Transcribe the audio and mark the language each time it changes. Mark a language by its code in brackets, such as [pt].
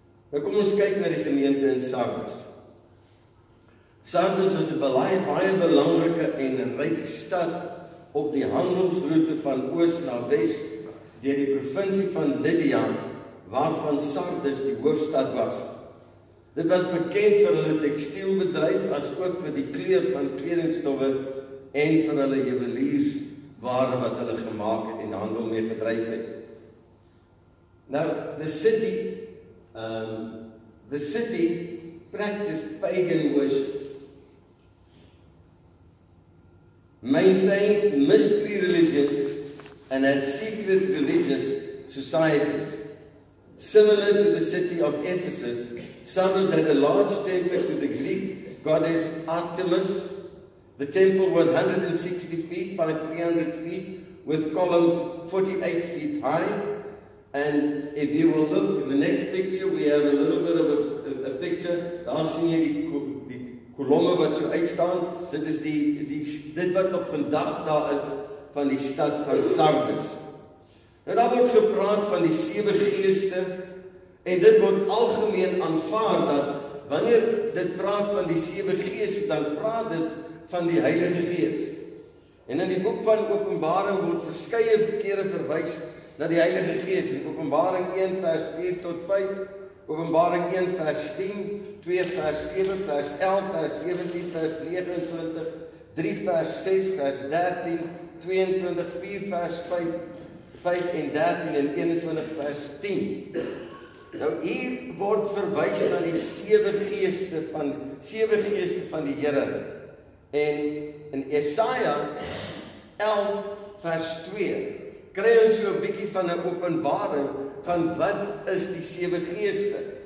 [af] Nou kom ons kyk na die gemeente in Sardes. Sardes was 'n baie belangrike en ryk stad op die handelsroute van oos na wes deur die provinsie van Lydia, waarvan Sardes die hoofstad was. Dit was bekend vir hulle tekstielbedryf, as ook vir die kleur van kledingstowwe en vir hulle juweliersware wat hulle gemaak het en handel mee gedryf het. [en] Nou, the city practiced pagan worship. Maintained mystery religions and had secret religious societies. Similar to the city of Ephesus, Sardis had a large temple to the Greek goddess Artemis. The temple was 160 feet by 300 feet with columns 48 feet high. And if you will look in the next picture, we have a little bit of a picture. [af] Daar sien jy die kolomme wat so uitstaan. Dit is dit wat nog vandag daar is van die stad van Sardis. Nou daar word gepraat van die sewe geeste. En dit word algemeen aanvaar dat wanneer dit praat van die sewe geeste, dan praat dit van die Heilige Gees. En in die boek van Openbaring word verskeie kere verwys na die Heilige Gees. In Openbaring 1 vers 4 tot 5, Openbaring 1 vers 10, 2 vers 7, vers 11, vers 17, vers 29, 3 vers 6, vers 13, 22, 4 vers 5 en 13 en 21 vers 10. Nou hier word verwys na die sewe geeste van die Here. En in Jesaja 11 vers 2 kry ons so 'n bietjie van 'n openbaring van wat is die sewe geeste.